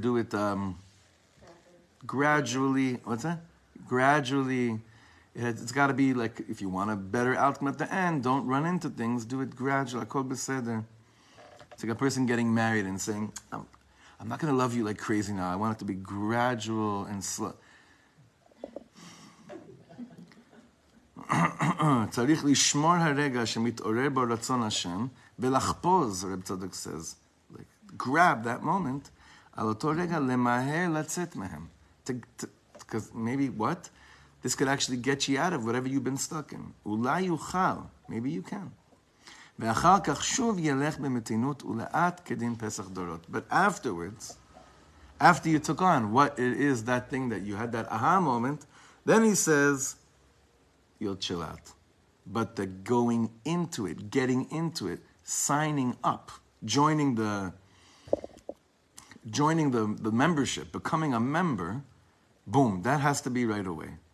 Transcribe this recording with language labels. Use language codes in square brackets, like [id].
[en] Do it gradually. What's that? Gradually. It's got to be like, if you want a better outcome at the end, don't run into things. Do it gradually. It's like a person getting married and saying, I'm not going to love you like crazy now. I want it to be gradual and slow. [he] צריך לשמור הרגע שמתעורר בו רצון השם ולחפוז, רב צדוק [en] says, like, grab that moment, [he] על אותו רגע למהר לצאת מהם. [en] Because maybe what? This could actually get you out of whatever you've been stuck in. [he] אולי יוכל, [en] maybe you can. [he] ואחר כך שוב ילך במתינות ולאט כדין פסח דורות. [en] But afterwards, after you took on what it is, that thing that you had that aha moment, then he says, you'll chill out. But the going into it, getting into it, signing up, joining the membership, becoming a member, boom, that has to be right away.